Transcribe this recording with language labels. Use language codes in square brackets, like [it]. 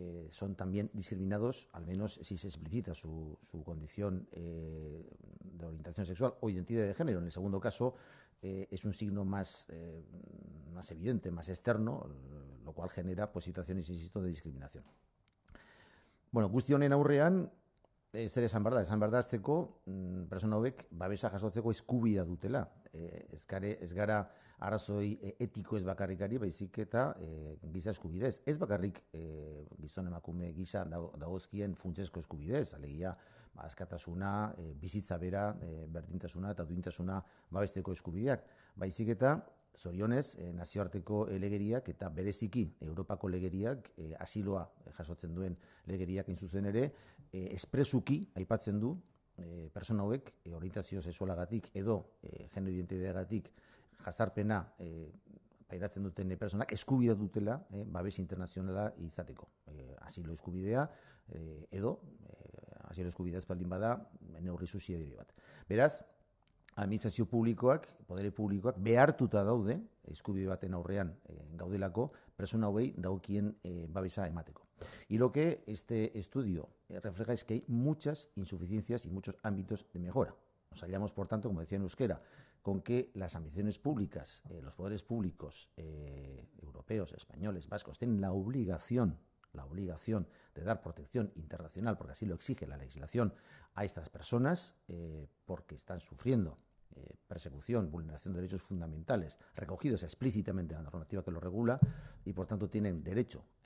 [es] son también discriminados, al menos si se explicita su condición de orientación sexual o identidad de género. En el segundo caso, es un signo más evidente, más externo, lo cual genera pues, situaciones, insisto, de discriminación. [eu] Bueno, guztionen aurrean, zer esan behar da, azteko, persona hauek babesa jasotzeko eskubidea dutela. Ez gara arazoi etiko ez bakarrik ari, baizik eta giza eskubidez. Ez bakarrik gizon emakume gisa dagozkien funtsezko eskubidez, alegia ba, askatasuna, bizitza bera, berdintasuna eta duintasuna babesteko eskubideak. Baizik eta, zorionez, nazioarteko legeriak eta bereziki Europako legeriak, asiloa jasotzen duen legeriak hain zuzen ere, espresuki aipatzen du pertsona hauek orientazio sexualagatik edo genero identitateagatik jazarpena pairatzen duten pertsonak eskubidea dutela babes internazionala izateko. Asilo eskubidea edo asilo eskubidea ez baldin bada neurri subsidiario bat. Beraz, administrazio publikoak, podere publikoak behartuta daude eskubide baten aurrean gaudelako pertsona hauei dagokien babesa emateko. [es] Y lo que este estudio refleja es que hay muchas insuficiencias y muchos ámbitos de mejora. Nos hallamos, por tanto, como decía en euskera, con que las ambiciones públicas, los poderes públicos europeos, españoles, vascos, tienen la obligación de dar protección internacional, porque así lo exige la legislación, a estas personas, porque están sufriendo persecución, vulneración de derechos fundamentales recogidos explícitamente en la normativa que lo regula y, por tanto, tienen derecho